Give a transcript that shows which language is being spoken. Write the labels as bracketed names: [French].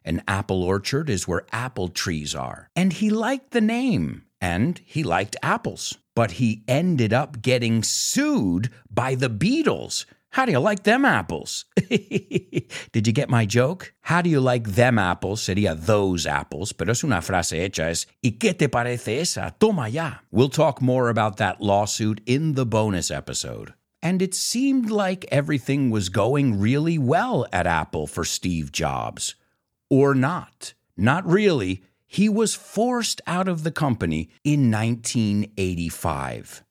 [English] An apple orchard is where apple trees are. And he liked the name, and he liked apples. But he ended up getting sued by the Beatles. How do you like them apples? Did you get my joke? How do you like them apples? [Spanish] Sería [English] those apples, [Spanish] pero es una frase hecha. Es, ¿y qué te parece esa? Toma ya. [English] We'll talk more about that lawsuit in the bonus episode. And it seemed like everything was going really well at Apple for Steve Jobs. or not? Not really. He was forced out of the company in 1985.